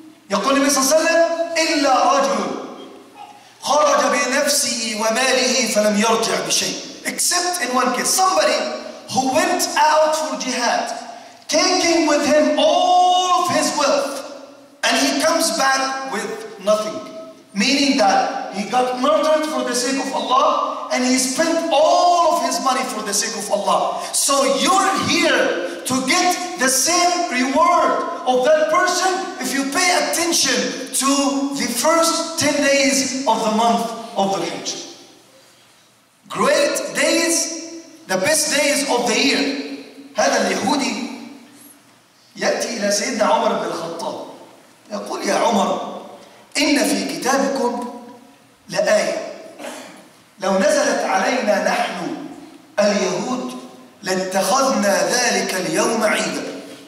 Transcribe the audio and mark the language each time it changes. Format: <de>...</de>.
<ar>يقول النبي صلى الله عليه وسلم إلا رجل خرج بنفسه وماله فلم يرجع بشيء.</ar> <en>Except in one case, somebody who went out for jihad, taking with him all of his wealth, and he comes back with nothing, meaning that he got murdered for the sake of Allah, and he spent all of his money for the sake of Allah. So you're here to get the same reward of that person if you pay attention to the first 10 days of the month of the Hijjah. Great days, the best days of the year.</en> <ar>هذا اليهودي يأتي إلى سيدنا عمر بن الخطاب يقول يا عمر إن في كتابكم لآية لو نزلت علينا نحن اليهود لاتخذنا ذلك اليوم عيدا.</ar>